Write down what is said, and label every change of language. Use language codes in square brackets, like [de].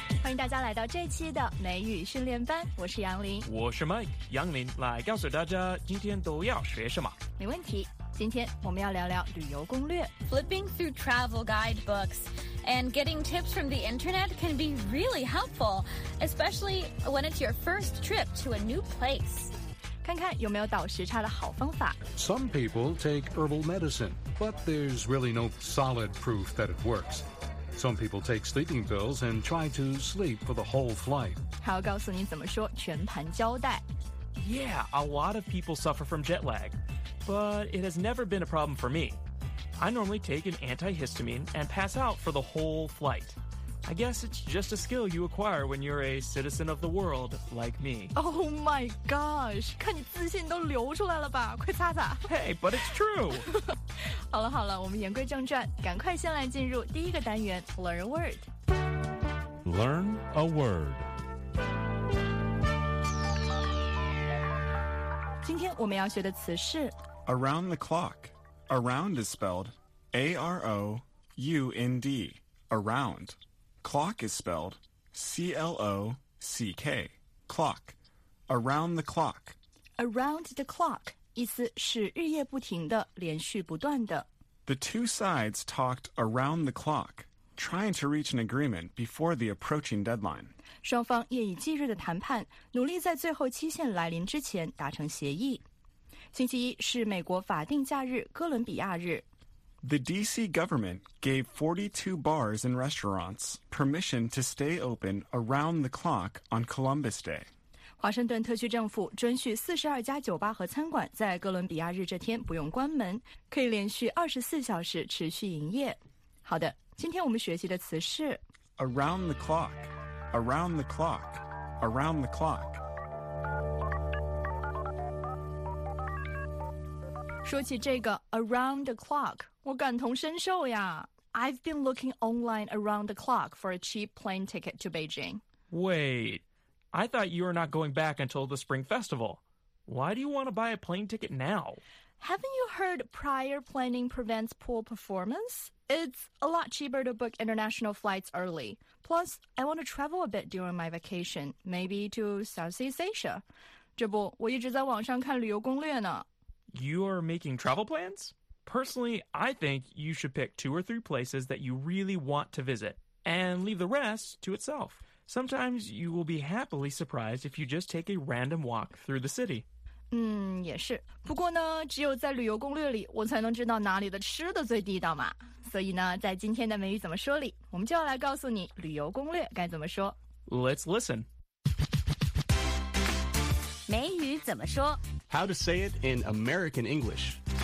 [zh] 迎大家来到这期的美语训练班，我是杨林，我是 Mike， 杨林来告诉大家今天都要学什么。没问题，今天我们要聊聊旅游攻略。 [en] Flipping through travel guidebooks and getting tips from the internet can be really helpful, especially when it's your first trip to a new place. [zh] 看看有没有倒时差的好方法。 [en] Some people take herbal medicine, but there's really no solid proof that it works. Some people take sleeping pills and try to sleep for the whole flight. [zh] 还要告诉你怎么说全盘交代。 [en] Yeah, a lot of people suffer from jet lag, but it has never been a problem for me. I normally take an antihistamine and pass out for the whole flight. I guess it's just a skill you acquire when you're a citizen of the world, like me. Oh my gosh, [zh] 看你自信都流出来了吧，快擦擦。 [en] Hey, but it's true. [zh] 好了好了，我们言归正传，赶快先来进入第一个单元 [en] Learn a Word. Learn a Word. [zh] 今天我们要学的词是 [en] Around the clock. Around is spelled A-R-O-U-N-D. Around. Clock is spelled C-L-O-C-K, clock, around the clock. [zh] Around the clock, 意思是日夜不停的，连续不断的。 [en] The two sides talked around the clock, trying to reach an agreement before the approaching deadline. [zh] 双方夜以继日的谈判，努力在最后期限来临之前达成协议。星期一是美国法定假日哥伦比亚日。 [en] The D.C. government gave 42 bars and restaurants permission to stay open around the clock on Columbus Day. [zh] 华盛顿特区政府准许42家酒吧和餐馆在哥伦比亚日这天不用关门，可以连续24小时持续营业。好的，今天我们学习的词是 [en] Around the clock, around the clock, around the clock. [zh] 说起这个 around the clock, 我感同身受呀。 [en] I've been looking online around the clock for a cheap plane ticket to Beijing. Wait, I thought you were not going back until the Spring Festival. Why do you want to buy a plane ticket now? Haven't you heard prior planning prevents poor performance? It's a lot cheaper to book international flights early. Plus, I want to travel a bit during my vacation, maybe to Southeast Asia. [zh] 这不，我一直在网上看旅游攻略呢。 [en] You are making travel plans? Personally, I think you should pick two or three places that you really want to visit and leave the rest to itself. Sometimes you will be happily surprised if you just take a random walk through the city. [zh] 嗯，也是。不过呢，只有在旅游攻略里，我才能知道哪里的吃的最地道嘛。所以呢，在今天的美语怎么说里，我们就要来告诉你旅游攻略该怎么说。 [en] Let's listen. [zh] 美语怎么说？ [en] How to say it in American English.